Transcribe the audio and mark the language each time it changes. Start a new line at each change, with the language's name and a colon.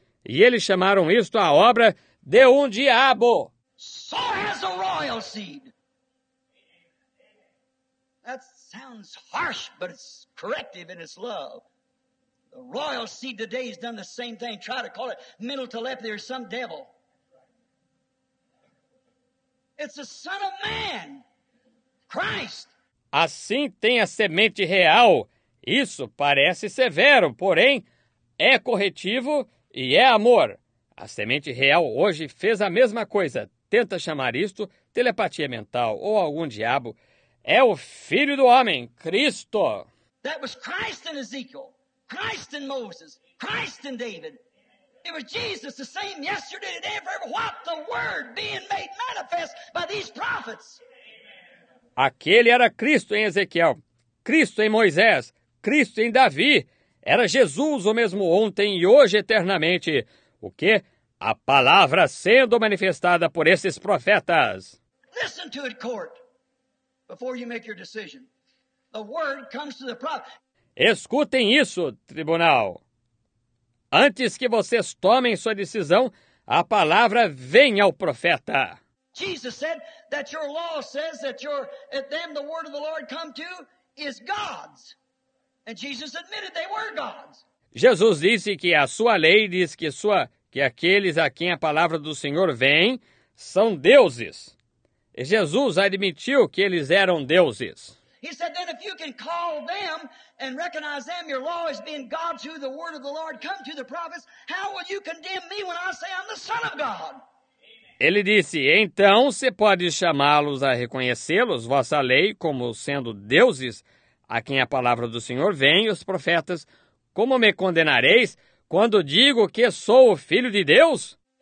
Portuguese: E eles chamaram isto a obra de um diabo.
English: So has a royal seed. That sounds harsh, but it's corrective in its love. The royal seed today has done the same thing. Try to call it mental telepathy or some devil. It's the son of man, Christ.
Portuguese: Assim tem a semente real. Isso parece severo, porém, é corretivo e é amor. A semente real hoje fez a mesma coisa. Tenta chamar isto telepatia mental ou algum diabo. É o Filho do Homem, Cristo.
English: That was Christ in Ezekiel, Christ in Moses, Christ in David. It was Jesus, the same yesterday, today, forever. What the Word being made manifest by these prophets.
Portuguese: Aquele era Cristo em Ezequiel, Cristo em Moisés, Cristo em Davi. Era Jesus o mesmo ontem e hoje eternamente. O que? A palavra sendo manifestada por esses profetas.
English: Listen to it, court, before you make your decision. The word comes to the prophet.
Portuguese: Escutem isso, tribunal. Antes que vocês tomem sua decisão, a palavra vem ao profeta.
English: Jesus said that your law says that your at them the word of the Lord come to is God's. And Jesus admitted they were God's.
Portuguese: Jesus disse que a sua lei diz que aqueles a quem a palavra do Senhor vem são deuses. E Jesus admitiu que eles eram deuses.
English: He said then if you can call them and recognize them your law as being God's who the word of the Lord come to the prophets, how will you condemn me when I say I'm the son of God?
Portuguese: Ele disse, então, se pode chamá-los a reconhecê-los, vossa lei, como sendo deuses, a quem a palavra do Senhor vem, os profetas, como me condenareis quando digo que sou o Filho de Deus?